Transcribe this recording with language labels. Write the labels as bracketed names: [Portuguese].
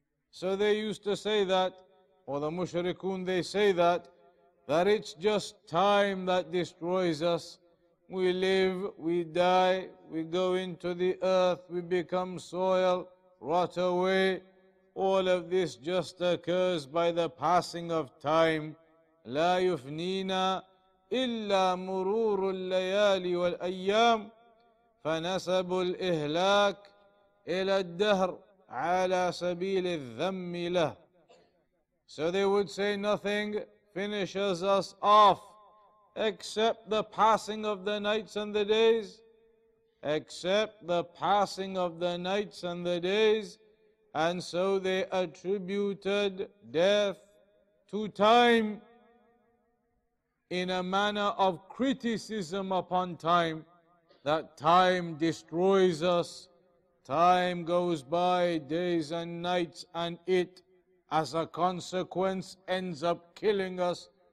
[English] So they used to say that, or the mushrikun, they say that, that it's just time that destroys us. We live, we die, we go into the earth, we become soil, rot away. All of this just occurs by the passing of time. [Arabic] لا يفنينا إلا مرور الليالي والأيام فنسب الإهلاك إلى الدهر على سبيل الذم له. [English] So they would say nothing finishes us off except the passing of the nights and the days, except the passing of the nights and the days. And so they attributed death to time in a manner of criticism upon time, that time destroys us, time goes by, days and nights, and it as a consequence ends up killing us.